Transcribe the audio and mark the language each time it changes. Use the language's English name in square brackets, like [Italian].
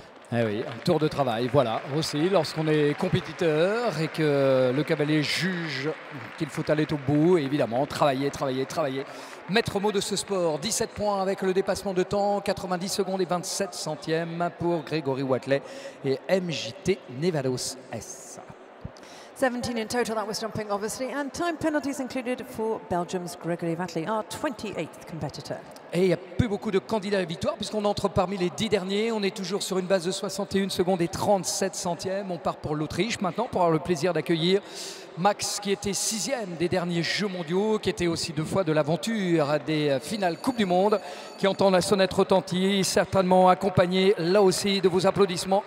[French] Eh oui, un tour de travail, voilà, aussi, lorsqu'on est compétiteur et que le cavalier juge qu'il faut aller au bout, évidemment, travailler. Maître mot de ce sport, 17 points avec le dépassement de temps, 90 secondes et 27 centièmes pour Grégory Watley et MJT Nevados S. [English] 17 in total, that was jumping obviously, and time penalties included for Belgium's Grégory Watley, our 28th competitor. [French] Et il n'y a plus beaucoup de candidats à la victoire puisqu'on entre parmi les 10 derniers. On est toujours sur une base de 61 secondes et 37 centièmes. On part pour l'Autriche maintenant pour avoir le plaisir d'accueillir Max, qui était 6e des derniers Jeux mondiaux, qui était aussi deux fois de l'aventure des finales Coupe du Monde, qui entend la sonnette retentir, certainement accompagné là aussi de vos applaudissements.